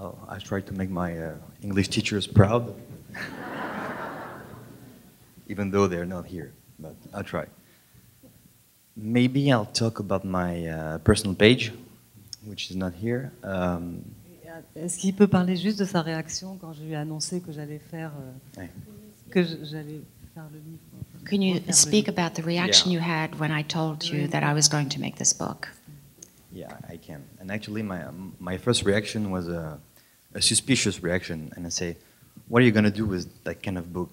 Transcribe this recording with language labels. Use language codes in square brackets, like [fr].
[en] I try to make my English teachers proud, even though they're not here, but I'll try. Maybe I'll talk about my personal page, which is not here. [fr] Est-ce qu'il peut parler juste de sa réaction quand je lui ai annoncé que j'allais faire que j'allais faire le livre? [en] Can you speak about the reaction you had when I told you that I was going to make this book? Yeah, I can. And actually, my first reaction was a suspicious reaction, and I say, what are you going to do with that kind of book?